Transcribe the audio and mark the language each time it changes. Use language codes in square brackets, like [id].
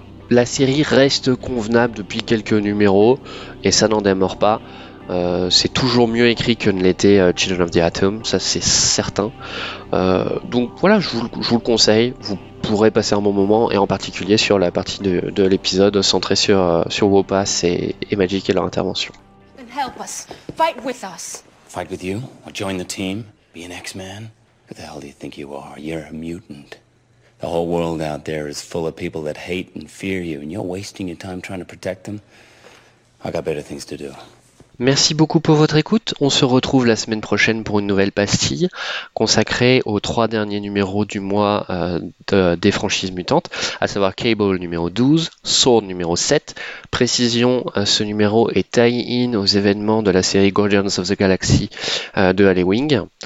[fr] La série reste convenable depuis quelques numéros et ça n'en démord pas. C'est toujours mieux écrit que ne l'était Children of the Atom, ça c'est certain. Donc voilà, je vous le conseille, vous pourrez passer un bon moment, et en particulier sur la partie de l'épisode centrée sur Wopas et Magic et leur intervention. [en] Then help us, fight with us. Fight with you, or join the team, be an X-Man. Who the hell do you think you are? You're a mutant. The whole world out there is full of people that hate and fear you, and you're wasting your time trying to protect them. I got better things to do. [fr] Merci beaucoup pour votre écoute. On se retrouve la semaine prochaine pour une nouvelle pastille consacrée aux trois derniers numéros du mois des franchises mutantes, à savoir Cable numéro 12, Sword numéro 7. Précision, ce numéro est tie-in aux événements de la série Guardians of the Galaxy de Ali Wing.